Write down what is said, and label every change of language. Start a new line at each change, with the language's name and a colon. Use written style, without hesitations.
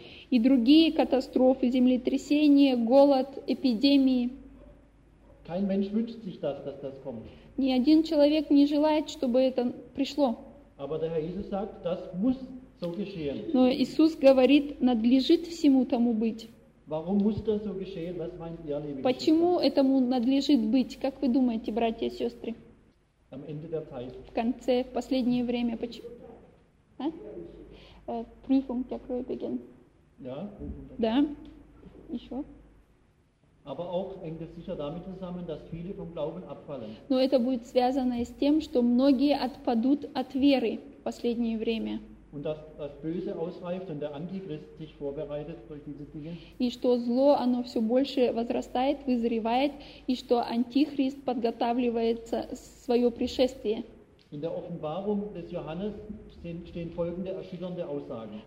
Russian: И другие катастрофы, землетрясения, голод, эпидемии.
German: Kein Mensch wünscht sich das, dass das kommt.
Russian: Ни один человек не желает, чтобы это пришло.
German: Aber der Herr Jesus sagt, das muss so geschehen.
Russian: Но Иисус говорит, надлежит всему тому быть.
German: Warum muss das so geschehen? Was meint ihr, liebe
Russian: Почему сестра? Этому надлежит быть? Как вы думаете, братья и сестры?
German: Am Ende der Zeit.
Russian: В конце, в последнее время. Почему?
German: Prüfung der Gläubigen. Ja,
Russian: да? Еще?
German: Aber auch hängt es sicher damit zusammen, dass viele vom Glauben abfallen.
Russian: Но это будет связано с тем, что многие отпадут от веры в последнее время.
German: Und dass das Böse ausreift und der Antichrist sich vorbereitet durch diese Dinge.
Russian: И что зло, оно все больше возрастает, вызревает, и что Антихрист подготавливает свое пришествие.
German: In der Offenbarung des Johannes stehen folgende erschütternde Aussagen.